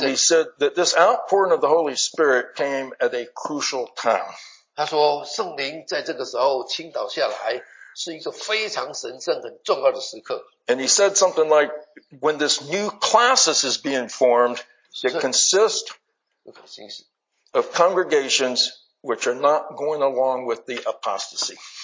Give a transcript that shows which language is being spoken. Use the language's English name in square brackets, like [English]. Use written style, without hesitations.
[English] he said that this outpouring of the Holy Spirit came at a crucial time. [Chinese] 他说圣灵在这个时候倾倒下来。 [English] And he said something like, when this new classes is being formed, it consists of congregations which are not going along with the apostasy.